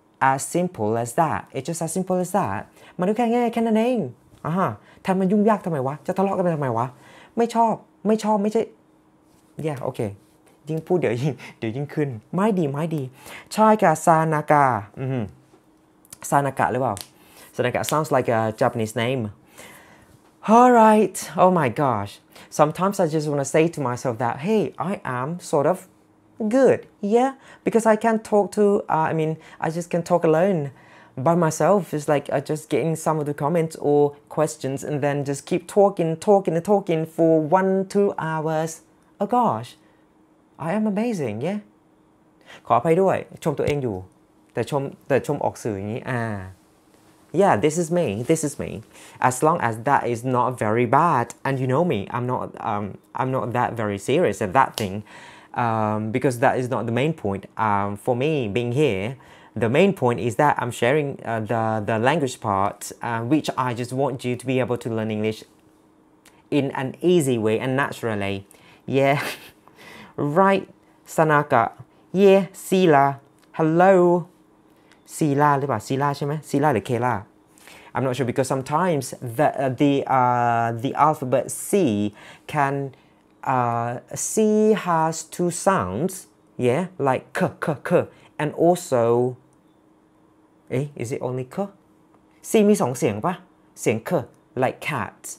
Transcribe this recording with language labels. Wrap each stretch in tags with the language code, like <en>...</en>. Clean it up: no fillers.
<en>as simple as that it just as simple as that</en> <th>มันก็แค่ง่ายๆแค่นั้นเองทำมันยุ่งยากทำไมวะจะทะเลาะกันไปทำไมวะไม่ชอบไม่ใช่แย่โอเคยิ่งพูดเดี๋ยวยิ่งขึ้นไม่ดีไม่ดีใช่กะซานากะซานากะหรือเปล่าซานากะ</th> <en>sounds like a Japanese name alright oh my gosh sometimes I just want to say to myself that hey I am sort of Good. Yeah. Because I can't talk to, I mean, I just can talk alone by myself. It's like I just getting some of the comments or questions and then just keep talking for 1-2 hours. Oh gosh. I am amazing. Yeah.</en> <th>ขออภัยด้วยชมตัวเองอยู่แต่ชมออกสื่ออย่างนี้</th> <en>Yeah, this is me. As long as that is not very bad, and you know me, I'm not that very serious at that thing, because that is not the main point. For me being here, the main point is that I'm sharing the language part, which I just want you to be able to learn English in an easy way and naturally. Yeah, right, Sanaka. Yeah, Sila. Hello, Sila, หรือเปล่า Sila ใช่ไหม Sila หรือ Kela. I'm not sure because sometimes the alphabet C can C has two sounds, yeah, like k k k, and also, is it only k?</en> <th>C มีสองเสียงป่ะ เสียง k like cat.</th>